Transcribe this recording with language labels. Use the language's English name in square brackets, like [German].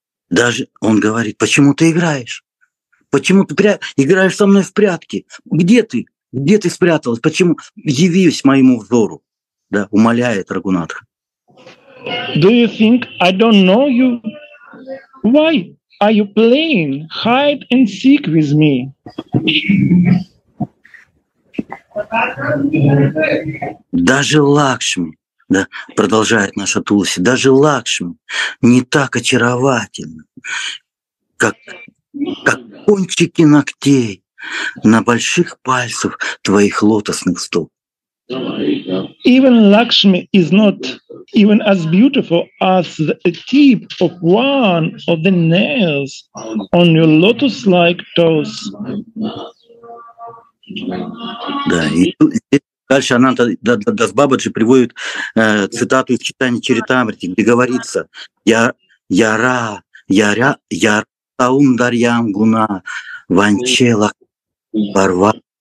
[Russian] Даже он говорит, почему ты играешь? Почему ты играешь со мной в прятки? Где ты? Где ты спряталась? Почему? Явись моему взору, да, умоляет Рагунатха. [English] Do you think I don't know you? Why are you playing hide and seek with me? [Russian] Даже Лакшми, да, продолжает наша Тулси, даже Лакшми не так очаровательна, как кончики ногтей на больших пальцах твоих лотосных стоп. [English] Even Lakshmi is not even as beautiful as the tip of one of the nails on your lotus-like toes. [Russian] Да, дальше Ананта Дас Бабаджи приводит цитату из читания Чаритамрити, где говорится: [Sanskrit] Яраундарьям гуна ванчела варва.